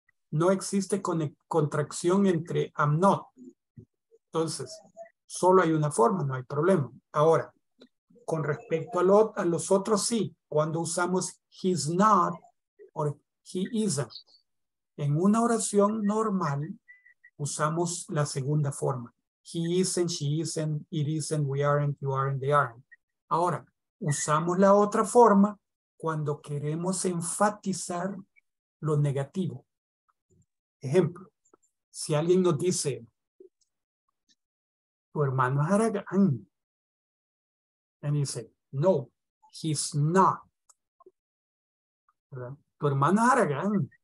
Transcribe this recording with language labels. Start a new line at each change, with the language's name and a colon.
Spanish: No existe contracción entre
English: I'm not.
Spanish: Entonces, solo hay una forma, no hay problema. Ahora, con respecto a los otros, sí. Cuando usamos
English: he's not
Spanish: o
English: he isn't.
Spanish: En una oración normal, usamos la segunda forma.
English: He isn't, she isn't, it isn't, we aren't, you aren't, they aren't.
Spanish: Ahora, usamos la otra forma cuando queremos enfatizar lo negativo. Ejemplo, si alguien nos dice, tu hermano es haragán.
English: And you say, no, he's not.
Spanish: ¿Verdad? Tu hermano es haragán.